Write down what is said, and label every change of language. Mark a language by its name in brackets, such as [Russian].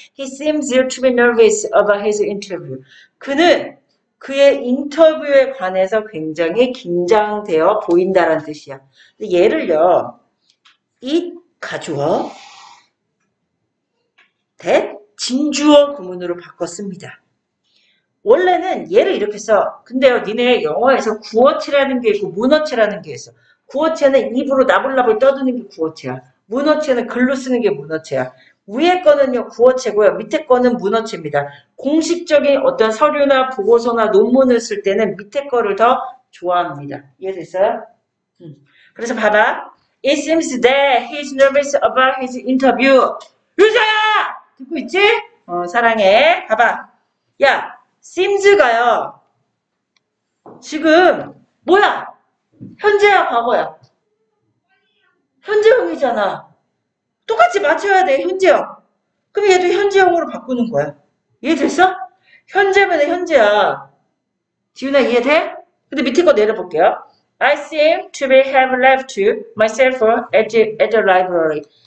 [English] He seems to be nervous about his interview. [Korean] 그는 그의 인터뷰에 관해서 굉장히 긴장되어 보인다라는 뜻이야. 예를요, it 가주어, that 진주어 구문으로 바꿨습니다. 원래는 얘를 이렇게 써. 근데요, 니네 영어에서 구어체라는 게 있고 문어체라는 게 있어. 구어체는 입으로 나불나불 떠드는 게 구어체야. 문어체는 글로 쓰는 게 문어체야. 위에 거는요, 구어체고요. 밑에 거는 문어체입니다. 공식적인 어떤 서류나 보고서나 논문을 쓸 때는 밑에 거를 더 좋아합니다. 이해됐어요? 그래서 봐봐. [English] It seems that he's nervous about his interview. [Korean] 유자야! 듣고 있지? 사랑해. 봐봐. 야. seems가요. 지금 뭐야? 현재야, 과거야? 현재형이잖아. 똑같이 맞춰야 돼, 현재형. 그럼 얘도 현재형으로 바꾸는 거야. 이해됐어? 현재면 현재야. 지훈아, 이해돼? 근데 밑에 거 내려볼게요. [English] I seem to be have left myself at the library.